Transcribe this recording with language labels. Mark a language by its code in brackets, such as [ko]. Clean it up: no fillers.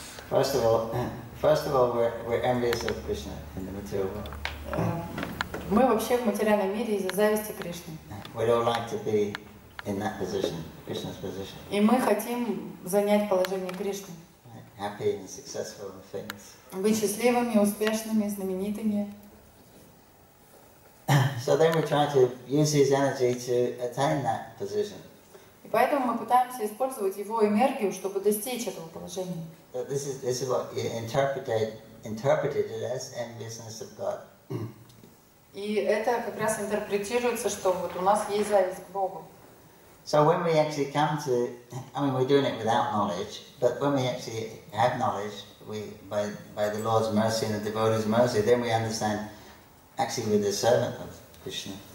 [en] First of all, we're envious of Krishna in the material world. [ru] Мы вообще в материальном мире из-за зависти Кришны. [en] We don't like to be in that position, Krishna's position. [ru] И мы хотим занять положение Кришны. [en] Happy and successful and famous. [ru] Быть счастливыми, успешными, знаменитыми. [en] So then we try to use his energy to attain that position. [ru] И поэтому мы пытаемся использовать его энергию, чтобы достичь этого положения. [en] This is what you interpreted it as enviousness of God. [ru] И это как раз интерпретируется, что вот у нас есть зависть к Богу. [en] So when we actually come to, I mean, we're doing it without knowledge, but when we actually have knowledge, we by the Lord's mercy and the devotee's mercy, then we understand actually we're the servant of Krishna.